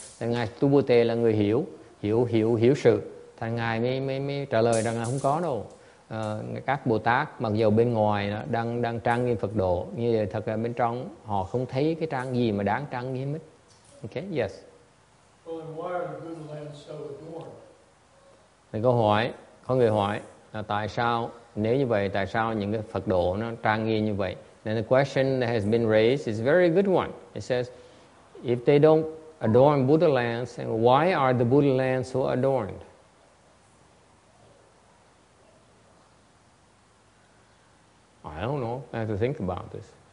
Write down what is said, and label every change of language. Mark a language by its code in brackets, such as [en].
[vi] Thầy Ngài Tu Bồ Tề là người hiểu sự. Thầy Ngài mới trả lời rằng là không có đâu. Các Bồ Tát mặc dù bên ngoài đang trang nghiêm Phật độ, nhưng thật là bên trong họ không thấy cái trang gì mà đáng trang nghiêm hết. [en] Okay, yes. Well, then why are the Buddha lands so adorned? [vi] Thầy câu hỏi, có người hỏi là tại sao, nếu như vậy, tại sao những cái Phật độ nó trang nghiêm như vậy? [en] Then the question that has been raised is a very good one. It says, if they don't adorn Buddha lands, then why are the Buddha lands so adorned? I don't know. I have to think about this.